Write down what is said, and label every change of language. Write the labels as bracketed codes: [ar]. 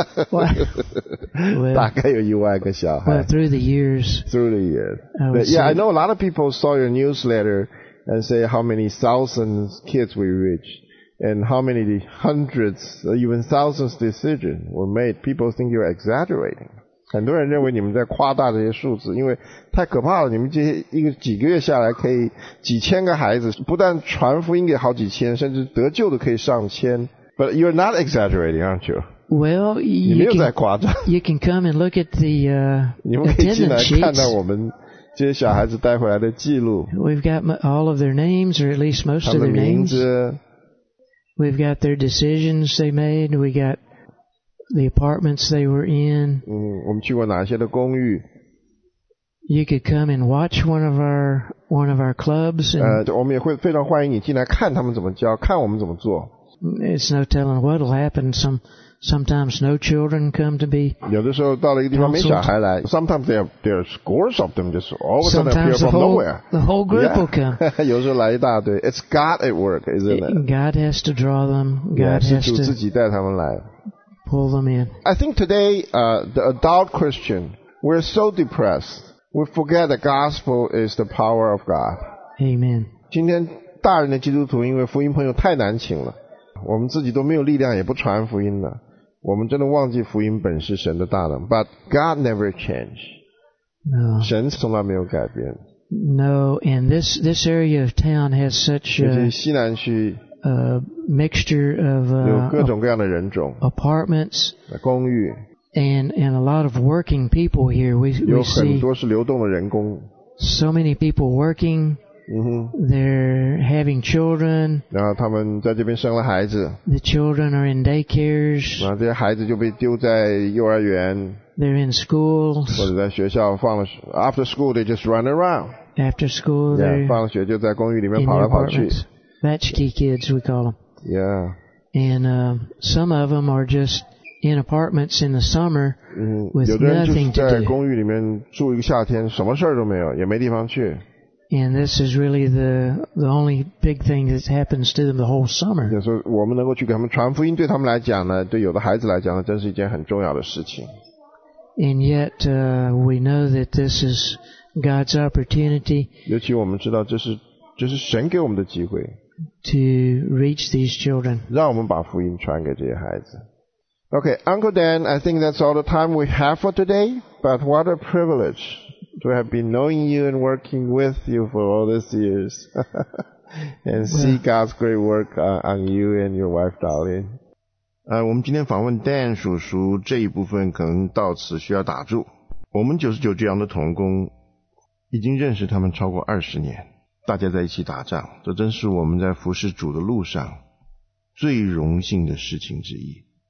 [en] Well, [zh] 大概有10,000个小孩. [en] Well, through the years. Through the years. I know a lot of people saw your newsletter and say how many thousands kids we reached and how many hundreds, even thousands decisions were made. People think you're exaggerating. [zh] 很多人认为你们在夸大这些数字，因为太可怕了。你们这些一个几个月下来，可以几千个孩子，不但传福音给好几千，甚至得救的可以上千。 [en] But you're not exaggerating, aren't you? Well, [zh] you 没有在夸张。 [en] You can come and look at the [zh] 你们可以进来看到我们这些小孩子带回来的记录。 [en] We've got all of their names, or at least most of their names. [zh] 他们的名字。 [en] We've got their decisions they made. We got. The apartments they were in. [zh] 我们去过哪些的公寓。 [en] you could come and watch one of our clubs. And [zh] 我们也会非常欢迎你进来看他们怎么教，看我们怎么做。 [en] It's no telling what will happen. Sometimes no children come to be. [zh] 有的时候到了一个地方没小孩来。 [en] Sometimes there are scores of them just all of a sudden appear from nowhere. The whole group will come. [zh] 有时候来一大堆。 [en] It's God at work, isn't it? God has to draw them. God has to [zh] 自己带他们来。 [en] Pull them in. I think today, the adult Christian, we're so depressed. We forget the gospel is the power of God. Amen. [zh] 今天大人的基督徒因为福音朋友太难请了。我们自己都没有力量也不传福音了我们真的忘记福音本是神的大能 [en] But God never changed No. [zh] 神从来没有改变 [en] No, and this area of town has such a [zh] 西南区 [en] a mixture of [zh] 有各种各样的人种 [en] apartments [zh] 公寓 [en] and a lot of working people here we [zh] 有很多是流动的人工 [en] So many people working Mm-hmm. They're having children. [zh] 然后他们在这边生了孩子。 [en] The children are in daycares. [zh] 然后这些孩子就被丢在幼儿园。 [en] They're in schools. [zh] 或者在学校放了 [en] After school, they just run around. After school, they're [zh] yeah, 放了学就在公寓里面跑来跑去。 [en] Latchkey kids, we call them. Yeah. And some of them are just in apartments in the summer with nothing to do. [zh] 有的人就是在公寓里面住一个夏天，什么事儿都没有，也没地方去。 [en] And this is really the only big thing that happens to them the whole summer. [zh] 就是我们能够去给他们传福音，对他们来讲呢，对有的孩子来讲呢，真是一件很重要的事情。 [en] And yet, we know that this is God's opportunity. [zh] 尤其我们知道这是神给我们的机会。 [en] To reach these children. [zh] 让我们把福音传给这些孩子。 [en] Okay, Uncle Dan, I think that's all the time we have for today. But what a privilege. To have been knowing you and working with you for all these years. and see God's great work on you and your wife, darling. [zh] 我们今天访问 Dan 叔叔这一部分可能到此需要打住。我们99这样的同工已经认识他们超过20年。大家在一起打仗，这真是我们在服侍主的路上最荣幸的事情之一。